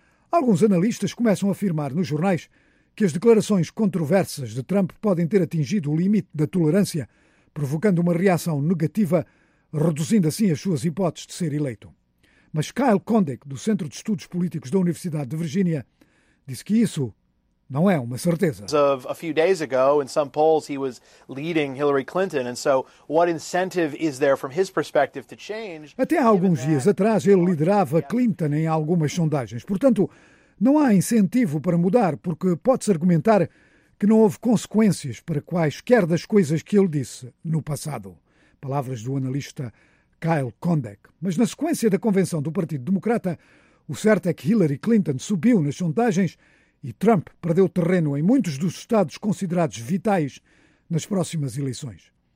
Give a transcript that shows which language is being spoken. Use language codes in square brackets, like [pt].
[pt] Alguns analistas começam a afirmar nos jornais que as declarações controversas de Trump podem ter atingido o limite da tolerância, provocando uma reação negativa, reduzindo assim as suas hipóteses de ser eleito. Mas Kyle Condick, do Centro de Estudos Políticos da Universidade de Virgínia, disse que isso não é uma certeza. [en] A few days ago, in some polls, he was leading Hillary Clinton, and so what incentive is there from his perspective to change? [pt] Até há alguns dias atrás, ele liderava Clinton em algumas sondagens. Portanto, não há incentivo para mudar, porque pode-se argumentar que não houve consequências para quaisquer das coisas que ele disse no passado. Palavras do analista Kyle Kondek. Mas na sequência da convenção do Partido Democrata, o certo é que Hillary Clinton subiu nas sondagens e Trump perdeu terreno em muitos dos estados considerados vitais nas próximas eleições.